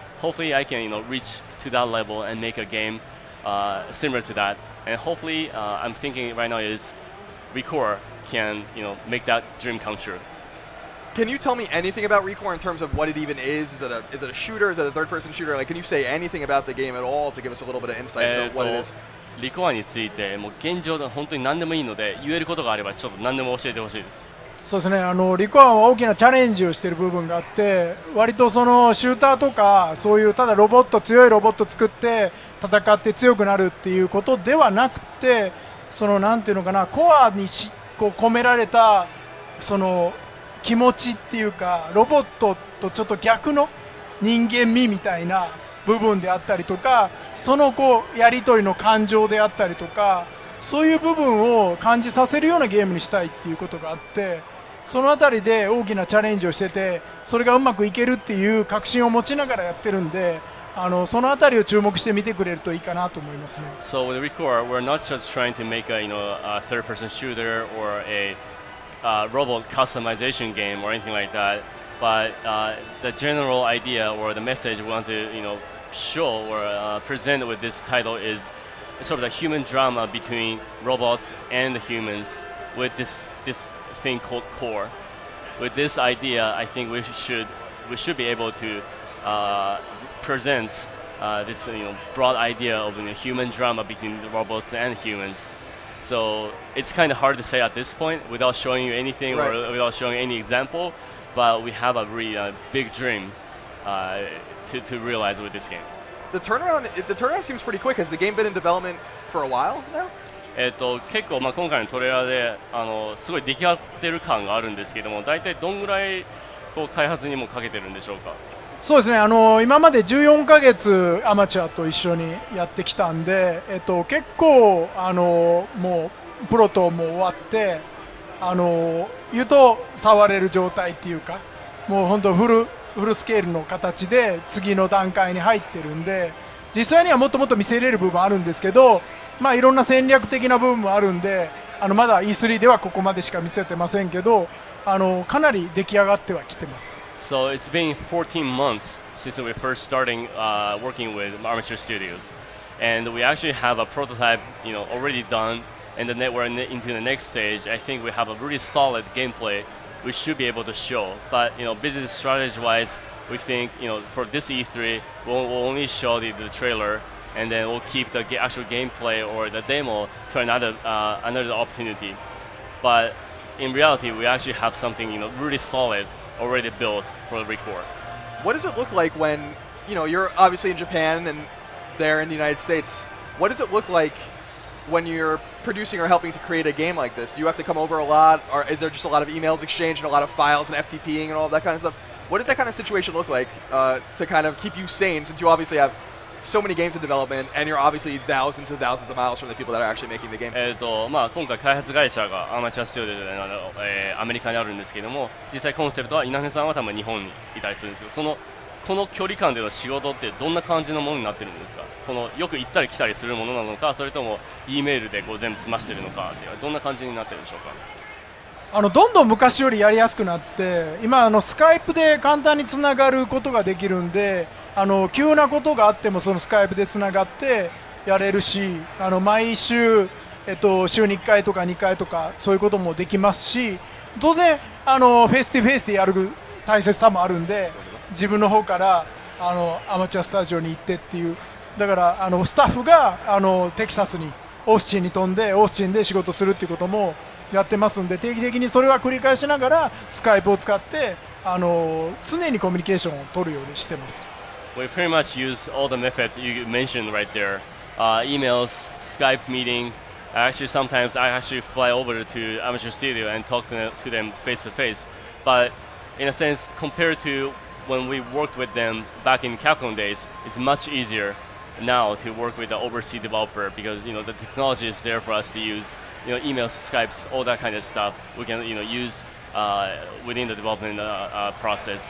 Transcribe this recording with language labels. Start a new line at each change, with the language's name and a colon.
English: Hopefully I can, you know, reach to that level and make a game similar to that. And hopefully I'm thinking right now is Recore. Can, you know, make that dream come true. Can you tell me anything about Recore in terms of what it even is? Is it a shooter? Is it a third person shooter? Like, can you say anything about the game at all to give us a little bit of insight into what it is?
Japanese: Recore についてもう現状で本当に何でもいいので、言えることがあればちょっと何でも教えてほしいです。そうですね、あの Recore は大きなチャレンジをしている部分があって、割とそのシューターとかそういうただロボット、強いロボット作って戦って強くなるっていうことではなくて、そのなんていうのかな、コアにしこう込められたその気持ちっていうか、ロボットとちょっと逆の人間味みたいな部分であったりとか、そのこうやり取りの感情であったりとか、そういう部分を感じさせるようなゲームにしたいっていうことがあって、そのあたりで大きなチャレンジをしてて、それがうまくいけるっていう確信を持ちながらやってるんで、あのそのあたりを注目して見てくれるといいかなと思いますね。
English: So with Recore, we're not just trying to make a, you know, a third person shooter or a robot customization game or anything like that, but the general idea or the message we want to, you know, show or present with this title is sort of the human drama between robots and humans with this thing called Core. With this idea, I think we should be able to present this, you know, broad idea of, you know, human drama between the robots and humans. So it's kind of hard to say at this point without showing you anything or without showing any example, but we have a really big dream to realize with this game. The turnaround seems pretty quick. Has the game been in development for a while now?
Japanese: 結構、まあ、今回のトレーラーであのすごい出来上がってる感があるんですけども、大体どんぐらいこう開発にもかけてるんでしょうか？そうですね、あの今まで14ヶ月アマチュアと一緒にやってきたんで、結構あのもうプロとも終わって、あの言うと触れる状態っていうか、もう本当フルスケールの形で次の段階に入ってるんで、実際にはもっともっと見せれる部分あるんですけど、まあ、いろんな戦略的な部分もあるんで、あのまだ E3 ではここまでしか見せてませんけど、あのかなり出来上がってはきてます。
English: So it's been 14 months since we first starting、working with Amateur Studios and we actually have a prototype you know, already done and the network into the next stage. I think we have a really solid gameplay we should be able to show, but you know, business strategy wise we think you know, for this E3 we'll only show the trailer and then we'll keep the actual gameplay or the demo to another, another opportunity. But in reality, we actually have something you know, really solid already built for the record. What does it look like when, you know, you're obviously in Japan and there in the United States. What does it look like when you're producing or helping to create a game like this? Do you have to come over a lot? Or is there just a lot of emails exchanged and a lot of files and FTPing and all that kind of stuff? What does that kind of situation look like to kind of keep you sane since you obviously have so many games in development and you're obviously thousands and thousands of miles from the people that are actually making the game.
Japanese: まあ、今回開発会社がアマチュアスチューディオで、アメリカにあるんですけども、実際コンセプトは稲根さんは多分日本にいたりするんですよ。その、この距離感での仕事ってどんな感じのものになってるんですか？このよく行ったり来たりするものなのか、それとも E メールでこう全部済ましてるのかって、どんな感じになってるんでしょうか？あのどんどん昔よりやりやすくなって、今あのスカイプで簡単につながることができるんで、あの急なことがあってもそのスカイプでつながってやれるし、あの毎週、週に1回とか2回とかそういうこともできますし、当然あのフェイスティフェイスでやる大切さもあるんで、自分の方からあのアマチュアスタジオに行ってっていう、だからあのスタッフがあのテキサスにオースチンに飛んでオースチンで仕事するっていうこともやってますんで、定期的にそれは繰り返しながらスカイプを使って、常にコミュニケーションを取るようにしてます。
English: We pretty much use all the methods you mentioned right there、emails, Skype meeting. Actually, sometimes I actually fly over to Amateur Studio and talk to them face to face. But in a sense, compared to when we worked with them back in Capcom days, it's much easier now to work with the overseas developer because you know, the technology is there for us to useYou know, emails, Skypes, all that kind of stuff we can you know, use within the development process.